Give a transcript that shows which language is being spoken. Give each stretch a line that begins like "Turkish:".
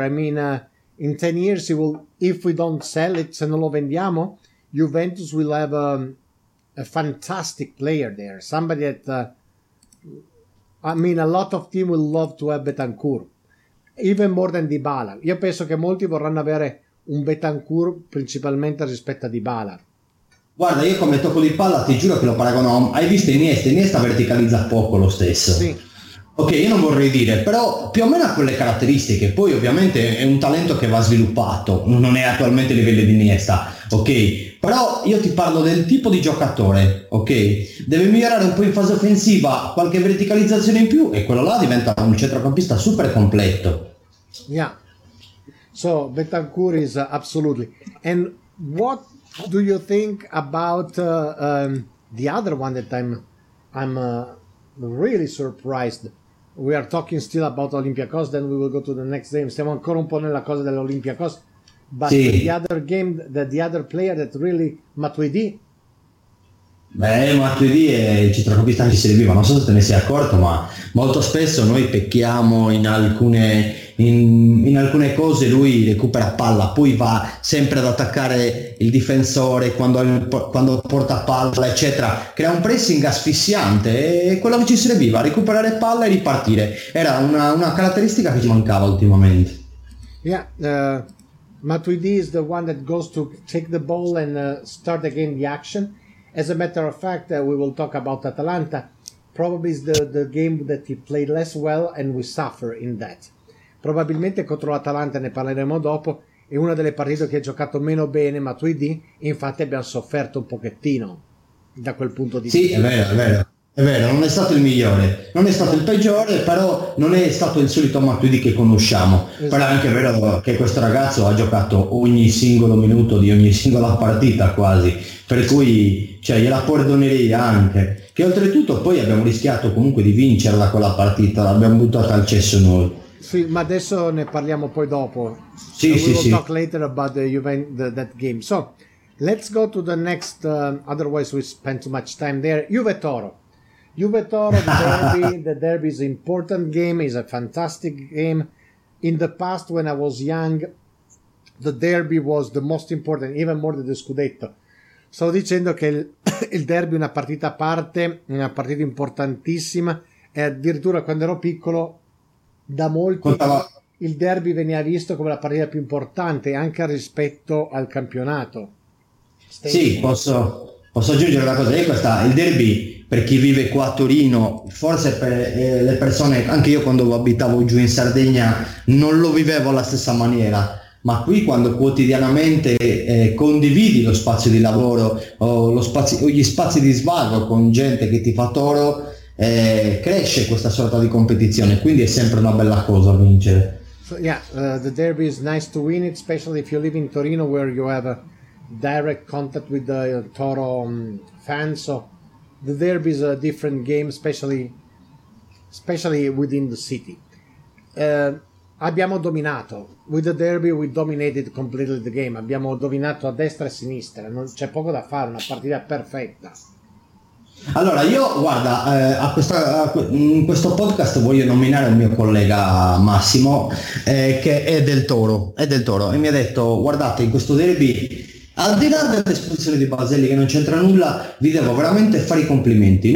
English: I mean, in 10 years, if we don't sell it,
Italian: se non lo vendiamo,
English: Juventus will have a fantastic player there. Somebody that, a lot of team will love to have Betancourt, even more than Dybala.
Italian: Io penso che molti vorranno avere un Betancourt principalmente rispetto a Dybala. Guarda, io come tocco di palla ti giuro che lo paragono, hai visto Iniesta verticalizza poco lo stesso. Sì. Ok, io non vorrei dire, però più o meno ha quelle caratteristiche, poi ovviamente è un talento che va sviluppato, non è attualmente a livello di Iniesta, ok? Però io ti parlo del tipo di giocatore, ok? Deve migliorare un po' in fase offensiva, qualche verticalizzazione in più e quello là diventa un centrocampista super completo.
English: Yeah, so Betancourt is absolutely. And what do you think about the other one that I'm really surprised? We are talking still about Olympiacos, then we will go to the next game.
Italian: Stiamo ancora un po' nella cosa dell'Olympiacos.
English: But sì, the other game, the other player that really, Matuidi?
Italian: Beh, Matuidi è il centrocampista anche se ne viva. Non so se te ne sei accorto, ma molto spesso noi pecchiamo in alcune, in alcune cose. Lui recupera palla, poi va sempre ad attaccare il difensore quando porta palla, eccetera. Crea un pressing asfissiante e quello che ci serviva, recuperare palla e ripartire. Era una caratteristica che ci mancava ultimamente.
English: Yeah, Matuidi is the one that goes to take the ball and start again the action. As a matter of fact, we will talk about Atalanta. Probably is the game that he played less well and we suffer in that.
Italian: Probabilmente contro l'Atalanta, ne parleremo dopo, è una delle partite che ha giocato meno bene Matuidi, infatti abbiamo sofferto un pochettino da quel punto di vista. Sì, è vero, non è stato il migliore, non è stato il peggiore, però non è stato il solito Matuidi che conosciamo. Esatto. Però è anche vero che questo ragazzo ha giocato ogni singolo minuto di ogni singola partita quasi, per cui cioè, gliela perdonerei anche. Che oltretutto poi abbiamo rischiato comunque di vincerla quella partita, l'abbiamo buttata al cesso noi. Sì, ma adesso ne parliamo poi dopo. Sì,
English: we sì, will sì. Talk later about the event, that game. So, let's go to the next. Otherwise, we spend too much time there. Juve-Toro, the derby is an important game. Is a fantastic game. In the past, when I was young, the derby was the most important, even more than the scudetto.
Italian: Sto dicendo che il derby è una partita a parte, una partita importantissima. E addirittura quando ero piccolo, da molti il derby veniva visto come la partita più importante anche rispetto al campionato. Sì, posso aggiungere una cosa. Il derby, per chi vive qua a Torino, forse per le persone, anche io quando abitavo giù in Sardegna non lo vivevo alla stessa maniera, ma qui quando quotidianamente condividi lo spazio di lavoro o gli spazi di svago con gente che ti fa Toro, cresce questa sorta di competizione, quindi è sempre una bella cosa vincere.
English: So, yeah, the derby is nice to win it, especially if you live in Torino where you have a direct contact with the Toro fans. So the derby is a different game, especially within the city.
Italian: Abbiamo dominato.
English: With the derby we dominated completely the game.
Italian: Abbiamo dominato a destra e a sinistra, non c'è poco da fare, una partita perfetta. Allora, io, guarda, in questo podcast voglio nominare il mio collega Massimo, che è del Toro, e mi ha detto, guardate, in questo derby, al di là dell'espulsione di Baselli che non c'entra nulla, vi devo veramente fare i complimenti.